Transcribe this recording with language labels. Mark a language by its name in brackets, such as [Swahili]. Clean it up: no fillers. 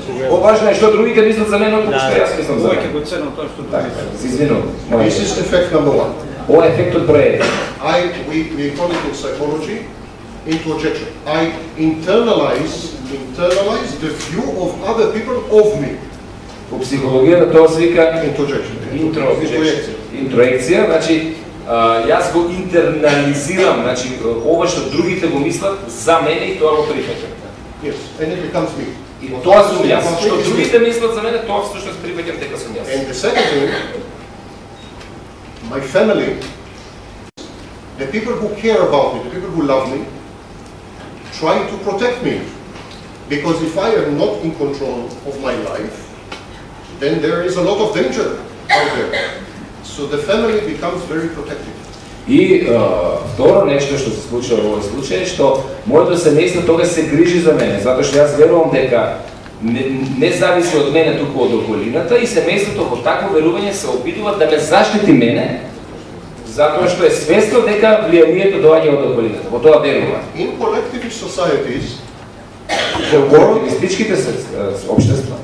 [Macedonian] Важно е што другите мислат за мене, отколку што јас мислам за мене. Овој ќе го ценам тоа што други. Извинувам. [English] This is effect number one. [Macedonian] Ова е ефектот број 1. [English] We call it in psychology introjection. I internalize the view of other people of me. [Macedonian] Во психологијата тоа се вика интроекција. Интроекција, значи јас го интернализирам, значи ова што другите го мислат за мене и тоа го прифаќам. [English] Yes, and it becomes me. [Macedonian] И тоа сум јас. Што другите мислат за мене, тоа што се прифаќам дека сум јас. [English] And the second thing, my family, the people who care about me, the people who love me, try to protect me. Because if I am not in control of my life, then there is a lot of danger out there. So the family becomes very protective. [Macedonian] И второ нешто што се случува во овој случај е што моето семејство тогаш се грижи за мене, затоа што јас верувам дека не зависи од мене туку од околината и семејството во такво верување се обидува да ме заштити мене, затоа што е свесно дека влијанието доаѓа од околината. Во тоа верувам. [English] In collective societies, the world, [Macedonian] истичките општества,